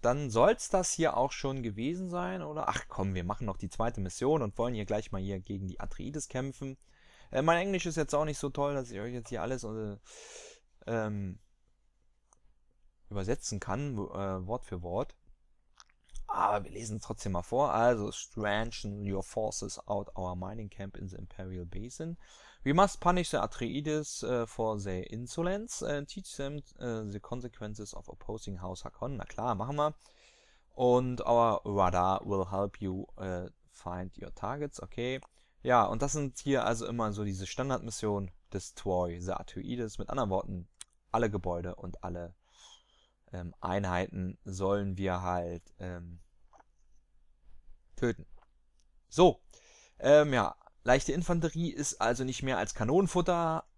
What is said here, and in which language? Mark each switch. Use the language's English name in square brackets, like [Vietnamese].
[German] Dann soll's das hier auch schon gewesen sein, oder? Ach komm, wir machen noch die zweite Mission und wollen hier gleich mal hier gegen die Atreides kämpfen. Mein Englisch ist jetzt auch nicht so toll, dass ich euch jetzt hier alles übersetzen kann, Wort für Wort. Aber wir lesen es trotzdem mal vor. [English] Also, strengthen your forces out our mining camp in the Imperial Basin. We must punish the Atreides for their insolence and teach them the consequences of opposing House Harkonnen. [German] Na klar, machen wir. [English] And our radar will help you find your targets. Okay. [German] Ja, und das sind hier also immer so diese Standardmissionen, [English] Destroy the Atreides. [German] Mit anderen Worten, alle Gebäude und alle Einheiten sollen wir halt töten. So, ja, leichte Infanterie ist also nicht mehr als Kanonenfutter.